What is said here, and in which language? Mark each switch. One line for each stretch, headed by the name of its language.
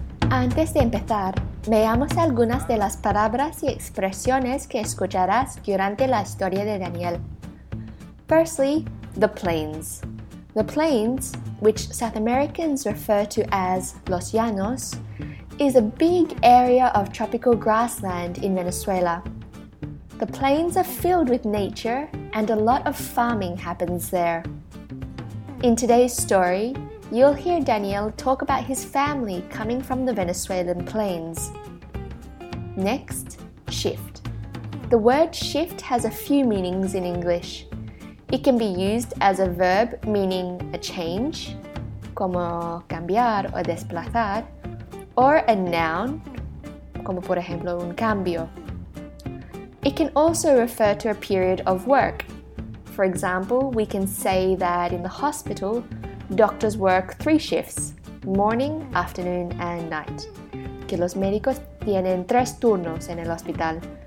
Spanish: Antes de empezar, veamos algunas de las palabras y expresiones que escucharás durante la historia de Daniel.
English: Firstly, the plains. The plains, which South Americans refer to as Los Llanos, is a big area of tropical grassland in Venezuela. The plains are filled with nature and a lot of farming happens there. In today's story, you'll hear Daniel talk about his family coming from the Venezuelan plains. Next, shift. The word shift has a few meanings in English. It can be used as a verb meaning a change,
Spanish: como cambiar o desplazar,
English: or a noun,
Spanish: como por ejemplo un cambio.
English: It can also refer to a period of work. For example, we can say that in the hospital, doctors work 3 shifts, morning, afternoon, and night.
Spanish: Que los médicos tienen 3 turnos en el hospital.